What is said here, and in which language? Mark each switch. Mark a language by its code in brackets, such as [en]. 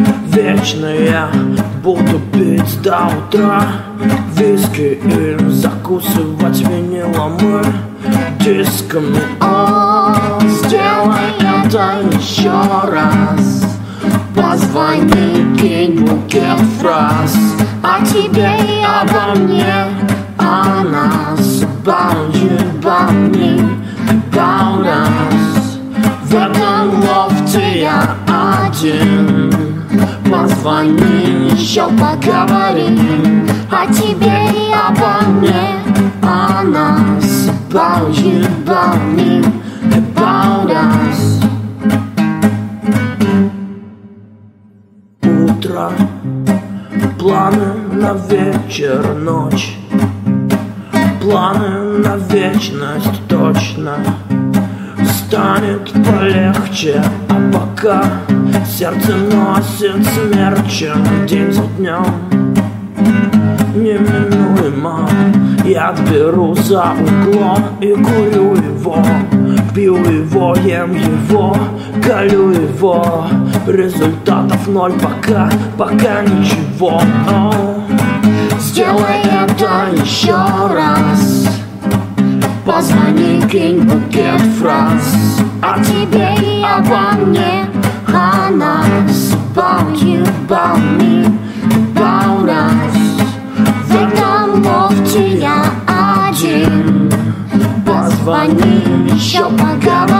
[ru] Вечно я буду пить до утра, виски и закусывать винилом и дисками. Сделай это еще раз, позвони, кинь букет фраз о тебе и обо мне, о нас. [en] About you, about me, about us. [ru] В этом лофте я один. Позвони, еще поговорим о тебе и обо мне, о нас. [en] About you, about me, about us. [ru] Утро, планы на вечер, ночь. Планы на вечность точно станет полегче. А пока сердце носит смерчем день за днем. Неминуемо я отберу за углом и курю его, пью его, ем его, колю его. Результатов ноль пока, пока ничего. Сделай это еще раз, позвони, кинь букет фраз о тебе и обо мне, о нас. [en] About you, about me, about us. [ru] В этом лофте я один. Позвони, еще пока.